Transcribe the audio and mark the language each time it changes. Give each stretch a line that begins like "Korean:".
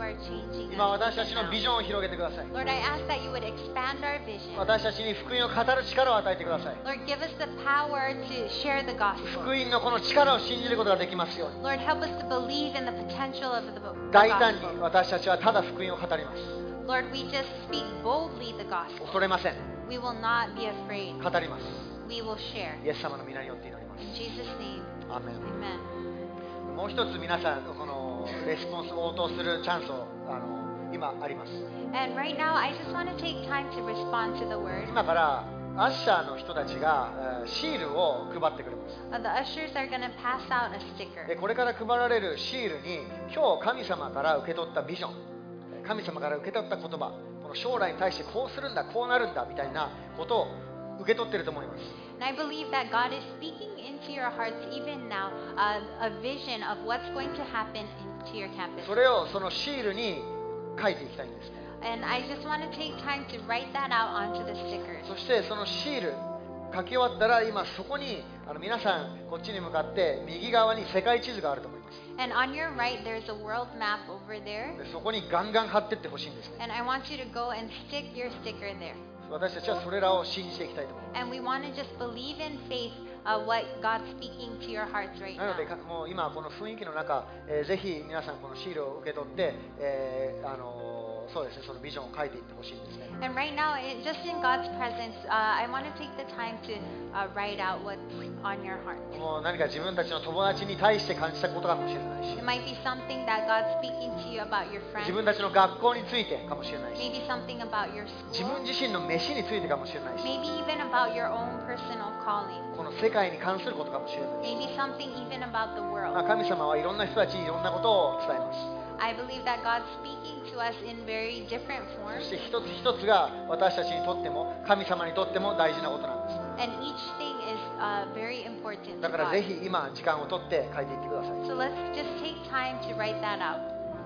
English: Lord, I ask that you would expand our vision.
Japanese: 私たちに福音を語る力を与えてください。
English: Lord, give us the power to share the gospel.
Japanese: 福音のこの力を信じることができますように。
English: Lord, help us to believe in the potential of the gospel.
Japanese: 大胆に私たちはただ福音を語ります。
English: Lord, we just speak boldly the gospel.
Japanese: 恐れません。
English: We will not be afraid.
Japanese: 語ります。
English: We will share.
Japanese: イエス様の御名によって祈ります。
English: In Jesus' name. Amen. Amen.
Japanese: もう一つ皆さんのこのレスポンス応答するチャンスを今あります。
English: And right now, I just want to take time to respond to the word.
Japanese: 今からアッシャーの人たちがシールを配ってくれます。
English: The ushers are going to pass out a sticker.
Japanese: で、これから配られるシールに今日神様から受け取ったビジョン、神様から受け取った言葉、この将来に対してこうするんだ、こうなるんだみたいなことを受け取ってると思います。
English: And I believe that God is speaking into your hearts even now, a vision of what's going to happen to your campus.
Japanese: それをそのシールに書いていきたいんです。
English: And I just want to take time to write that out onto the stickers.
Japanese: そしてそのシール書き終わったら今そこに皆さんこっちに向かって右側に世界地図があると思います。
English: And on your right, there's a world map over there.
Japanese: でそこにガンガン貼ってってほしいんですね。
English: And I want you to go and stick your sticker there.
Japanese: 私たちはそれらを信じていきたいと思います。
English: And we want to just believe in faith of what God's speaking to your hearts right now.
Japanese: なのでもう今この雰囲気の中、ぜひ皆さんこのシールを受け取って、そうですね、そのビジョンを書いていってほしいですね。
English: And right now, just in God's presence, I want to take the time to write out what's on your heart.
Japanese: もう何か自分たちの友達に対して感じたことかもしれないし。
English: It might be something that God's speaking to you about your friends.
Japanese: 自分たちの学校についてかもしれないし。
English: Maybe something about your school.
Japanese: 自分自身の飯についてかもしれないし。
English: Maybe even about your own personal calling.
Japanese: この世界に関することかもしれないし。
English: Maybe something even about the world.
Japanese: 神様はいろんな人たちにいろんなことを伝えます。
English: I believe that God's speaking to us in very different forms.
Japanese: そして一つ一つが私たちにとっても神様にとっても大事なことなんです。
English: And each thing is very important.
Japanese: だからぜひ今時間を取って書いていってください。
English: So let's just take time to write that out.